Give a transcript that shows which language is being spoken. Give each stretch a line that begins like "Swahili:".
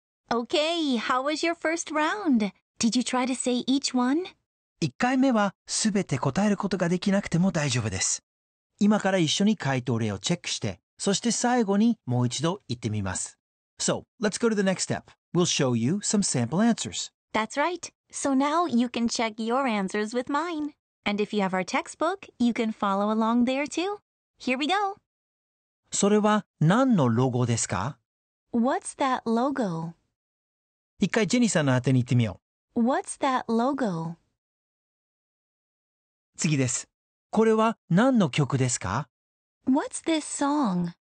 English: Okay, how was your first round? Did you try to say each one?
Japanese: 一回目はすべて答えることができなくても大丈夫です。今から一緒に回答例をチェックして、そして最後にもう一度言ってみます。
English: So, let's go to the next step. We'll show you some sample answers. That's right. So now you can check your answers with mine. And if you have our textbook, you can follow along there too. Here we go.
Japanese: それは何のロゴですか？
English: What's that logo?
Japanese: 一回ジェニーさんの宛てに言ってみよう。
English: What's that logo?
Japanese: 次です。これは何の曲ですか？
English: What's this song?